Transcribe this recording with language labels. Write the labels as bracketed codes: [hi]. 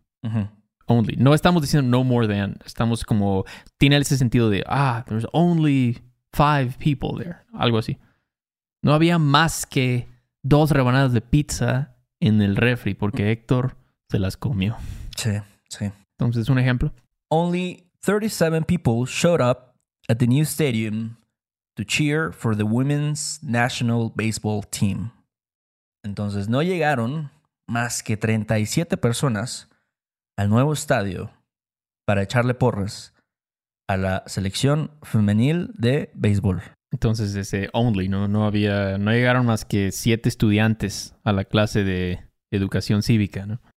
[es] Uh-huh. Only. No estamos diciendo [en] no more than. [es] Estamos como, tiene ese sentido de, ah, [en] there's only 5 people there. [es] Algo así. No había más que 2 rebanadas de pizza en el refri porque Héctor se las comió. Sí, sí. Entonces, un ejemplo. [en] Only 37 people showed up at the new stadium to cheer for the women's national baseball team. [es] Entonces, no llegaron más que 37 personas al nuevo estadio para echarle porras a la selección femenil de béisbol. Entonces, ese only, ¿no? No había, no llegaron más que 7 estudiantes a la clase de educación cívica, ¿no?